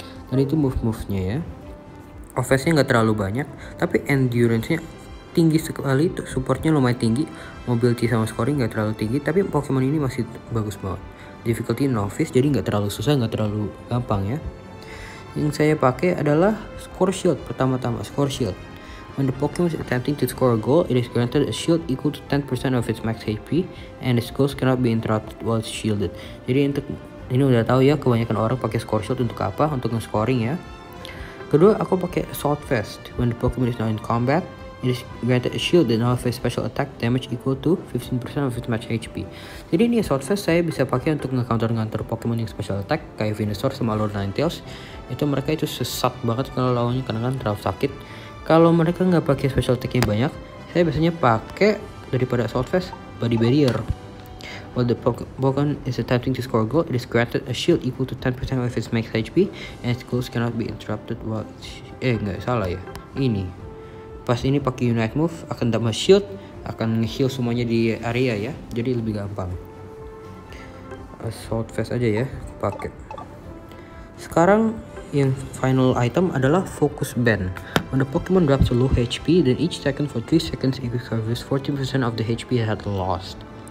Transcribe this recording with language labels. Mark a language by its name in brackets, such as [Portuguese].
[Indonesian] Dan itu move-move-nya ya. Offense-nya nggak terlalu banyak, tapi endurance-nya tinggi sekali, support-nya lumayan tinggi. Mobility sama scoring nggak terlalu tinggi, tapi Pokemon ini masih bagus banget. Difficulty novice, jadi nggak terlalu susah, nggak terlalu gampang ya. Yang saya pakai adalah Score Shield. Pertama-tama Score Shield. [English] When the Pokemon is attempting to score a goal, it is granted a shield equal to 10% of its max HP, and its goals cannot be interrupted while shielded. [Indonesian] Jadi ini udah tahu ya, kebanyakan orang pakai Score Shield untuk apa? Untuk nge-scoring ya. Kedua, aku pakai Assault Vest. [English] When the Pokemon is now in combat, it is granted a shield that now has special attack damage equal to 15% of its max HP. [Indonesian] Jadi ini Assault Vest saya bisa pakai untuk nge-counter-nganter Pokemon yang special attack, kayak Venusaur sama Lord Ninetales. Itu mereka itu sesat banget kalau lawannya karena kan terlalu sakit. Kalau mereka nggak pakai special attack yang banyak, saya biasanya pakai daripada Assault Vest, Body Barrier. [English] While the Pokemon is attempting to score a goal, it is granted a shield equal to 10% of its max HP, and its goals cannot be interrupted while... [Indonesian] Ini. Pas ini pakai unite move, akan dapat shield, akan nge-heal semuanya di area ya, jadi lebih gampang. Assault Vest aja ya, pakai. Sekarang yang final item adalah Focus Band. [English] When the Pokemon drops a low HP, then each second for 3 seconds it recovers 14% of the HP it had lost.